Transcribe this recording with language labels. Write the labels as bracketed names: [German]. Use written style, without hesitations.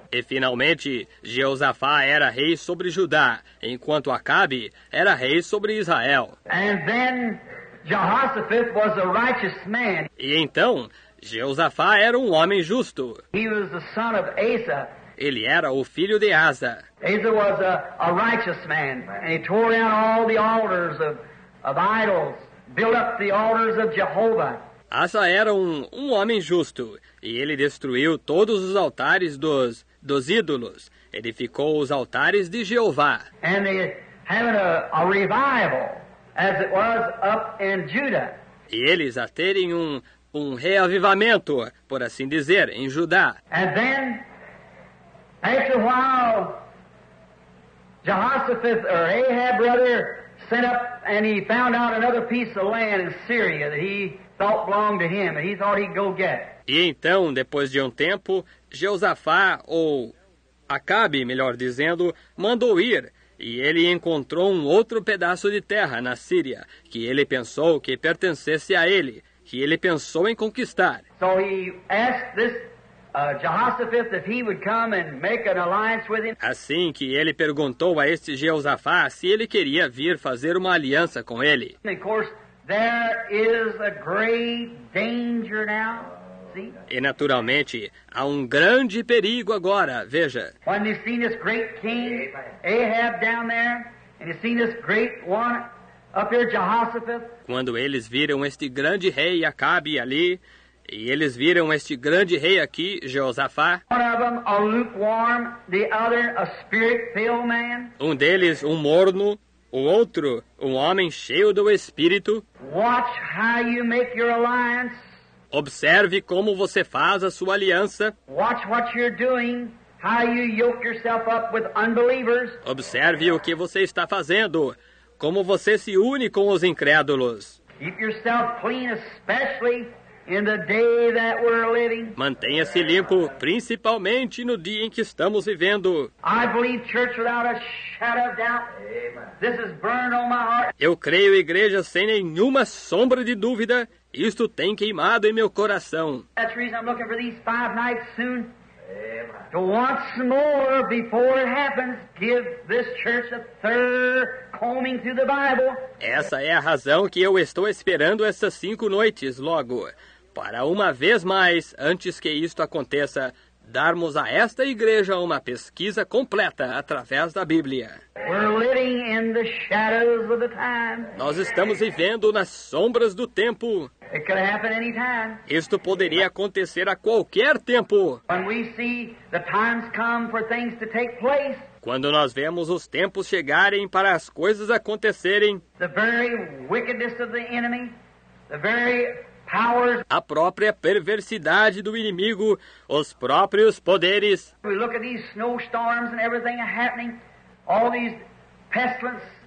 [Portuguese] E finalmente, Jeosafá era rei sobre Judá, enquanto Acabe era rei sobre Israel. [English] And then Jehoshaphat was a righteous man. [Portuguese] E então, Jeosafá era um homem justo. [English] He was the son of Asa. [Portuguese] Ele era o filho de Asa. [English] Asa was a righteous man, and he tore down all the altars of idols, built up the altars of Jehovah. [Portuguese] Asa era um homem justo, e ele destruiu todos os altares dos ídolos. Edificou os altares de Jeová. [English] And they having a revival, as it was up in Judah. [Portuguese] E eles a terem um reavivamento, por assim dizer, em Judá. [English] And then, after a while, Jehoshaphat, or Ahab, brother, sent up and he found out another piece of land in Syria that he thought belonged to him, and he thought he'd go get. [Portuguese] E então, depois de um tempo, Jeosafá, ou Acabe, melhor dizendo, mandou ir, e ele encontrou um outro pedaço de terra na Síria, que ele pensou que pertencesse a ele, que ele pensou em conquistar. [English] So he asked this Jehoshaphat if he would come and make an alliance with him. [Portuguese] Assim que ele perguntou a este Jeosafá se ele queria vir fazer uma aliança com ele. [English] And of course, There is a great danger now. See? [Portuguese] E naturalmente, há um grande perigo agora, veja. [English] When you see this great king, Ahab, down there, and you see this great one up here, Jehoshaphat. [Portuguese] Quando eles viram este grande rei Acabe ali, e eles viram este grande rei aqui, Jeosafá. [English] One of them a lukewarm, the other a spirit-filled man. [Portuguese] Um deles um morno, o outro um homem cheio do Espírito. [English] Watch how you make your alliance. Observe como você faz a sua aliança. Watch what you're doing. How you yoke yourself up with unbelievers. [Portuguese] Observe o que você está fazendo. Como você se une com os incrédulos. [English] Keep yourself clean, especially in the day that we're living. [Portuguese] Mantenha-se limpo, principalmente no dia em que estamos vivendo. [English] I believe church without a shadow of doubt. This is burned on my heart. [Portuguese] Eu creio, igreja, sem nenhuma sombra de dúvida. Isto tem queimado em meu coração. [English] That's the reason I'm looking for these five nights soon. To once more, before it happens, give this church a third combing through the Bible. [Portuguese] Essa é a razão que eu estou esperando essas cinco noites, logo, para uma vez mais, antes que isto aconteça, darmos a esta igreja uma pesquisa completa através da Bíblia. [English] We're living in the shadows of the time. [Portuguese] Nós estamos vivendo nas sombras do tempo. [English] It could happen any time. [Portuguese] Isto poderia acontecer a qualquer tempo. [English] When we see the times come for things to take place. [Portuguese] Quando nós vemos os tempos chegarem para as coisas acontecerem. [English] The very wickedness of the enemy, the very powers. [Portuguese] A própria perversidade do inimigo, os próprios poderes. [English] We look at these snowstorms and everything happening, all these pestilence.